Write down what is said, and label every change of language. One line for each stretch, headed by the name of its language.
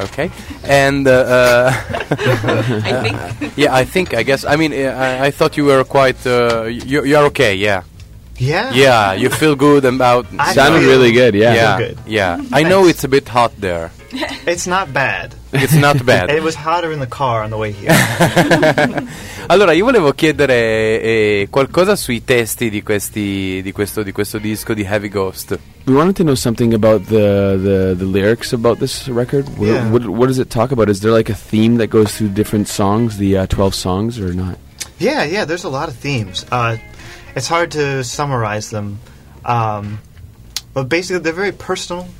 English: Okay. And I thought you were quite... you are okay, yeah. Yeah? Yeah, you feel good about... Sounded really good, yeah. Yeah, good. Yeah. I know it's a bit hot there. It's not bad. It's not bad. It was hotter in the car on the way here.
Italian: Allora, io volevo chiedere qualcosa sui testi di questi di questo disco di Heavy Ghost.
English: We wanted to know something about the lyrics about this record. What does it talk about? Is there like a theme that goes through different songs, the 12 songs, or not? Yeah, there's a lot of themes. It's hard to summarize them. But basically, they're very personal.